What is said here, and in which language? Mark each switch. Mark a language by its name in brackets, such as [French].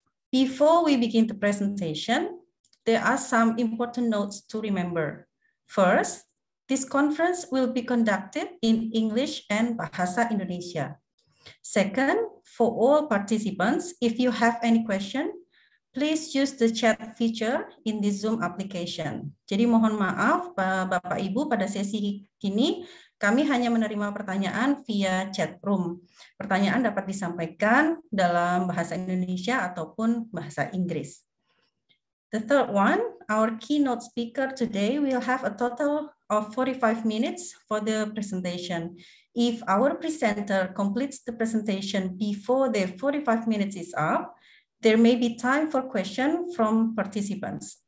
[English] Before we begin the presentation, there are some important notes to remember. First, this conference will be conducted in English and Bahasa Indonesia. Second, for all participants, if you have any question, please use the chat feature in the Zoom application. [Indonesian] Jadi mohon maaf Bapak Ibu pada sesi ini kami hanya menerima pertanyaan via chat room. Pertanyaan dapat disampaikan dalam bahasa Indonesia ataupun bahasa Inggris. [English] The third one, our keynote speaker today will have a total of 45 minutes for the presentation. If our presenter completes the presentation before the 45 minutes is up, there may be time for questions from participants.